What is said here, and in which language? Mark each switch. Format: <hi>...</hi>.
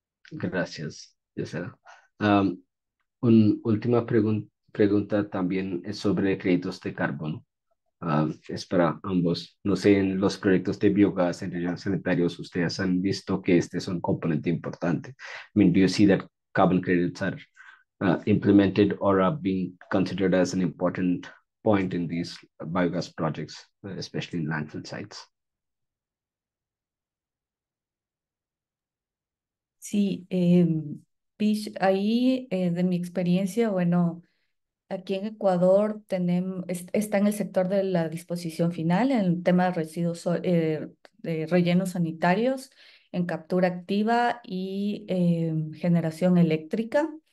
<es>Gracias, Yesera. Una última pregunta también es sobre créditos de carbono. Es para ambos. No sé, en los proyectos de biogás en regiones sanitarios, ustedes han visto que este es un componente importante.</es> <en>I mean, do you see that carbon credits are implemented or are being considered as an important point in these biogas projects, especially in landfill sites?</en> <es>Sí, Pish, ahí de mi experiencia, bueno, aquí en Ecuador está en el sector de la disposición final, en el tema de residuos de rellenos sanitarios, en captura activa y generación eléctrica.</es>